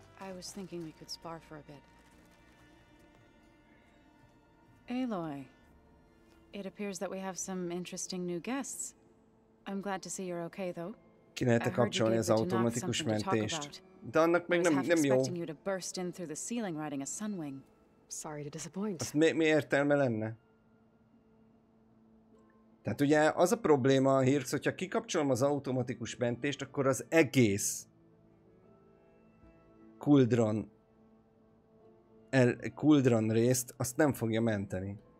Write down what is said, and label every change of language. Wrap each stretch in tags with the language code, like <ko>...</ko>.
<en>I was thinking we could spar for a bit. Aloy, it appears that we have some interesting new guests. I'm glad to see you're okay, though.</en> <hu>Ki lehetne kapcsolni az automatikus mentést? De annak meg nem jó.</hu> <en>You to burst in through the ceiling riding a sunwing. Sorry to disappoint.</en> <hu>Azt mi értelme lenne? Tehát ugye az a probléma a hírsz, hogyha kikapcsolom az automatikus mentést, akkor az egész Kuldron részt azt nem fogja menteni.</hu>